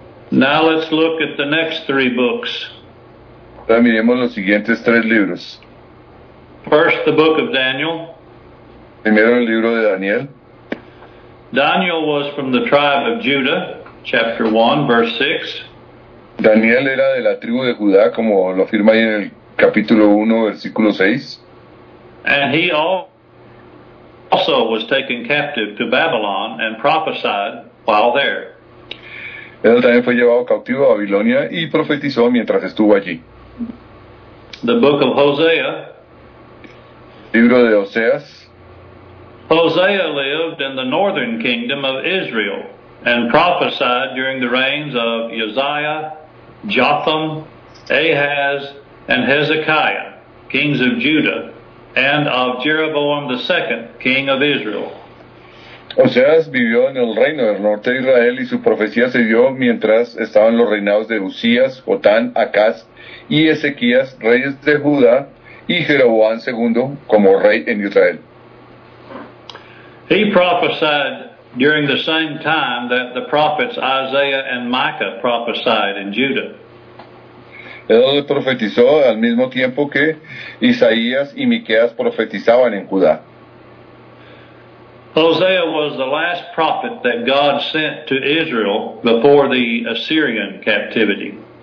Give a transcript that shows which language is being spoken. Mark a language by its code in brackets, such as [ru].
[en] Now let's look at the next three books. [es] Ahora miremos los siguientes tres libros. [en] First, the book of Daniel. [es] Primero el libro de Daniel. [en] Daniel was from the tribe of Judah. Chapter 1, verse 6. [es] Daniel era de la tribu de Judá, como lo afirma ahí en el capítulo 1, versículo 6. [en] And he also was taken captive to Babylon and prophesied while there. [es] Él también fue llevado cautivo a Babilonia y profetizó mientras estuvo allí. [en] The book of Hosea. [es] Libro de Oseas. [en] Hosea lived in the northern kingdom of Israel and prophesied during the reigns of Uzziah, Jotham, Ahaz, and Hezekiah, kings of Judah, and of Jeroboam the second, king of Israel. [es] Oseas vivió en el reino del norte de Israel y su profecía se dio mientras estaban los reinados de Uzías, Jotán, Acaz y Ezequías, reyes de Judá, y Jeroboam II como rey en Israel. [en] He prophesied during the same time that the prophets Isaiah and Micah prophesied in Judah. [es] Él profetizó al mismo tiempo que Isaías y Miqueas profetizaban en Judá. [en] Hosea was the last prophet that God sent to Israel before the Assyrian captivity.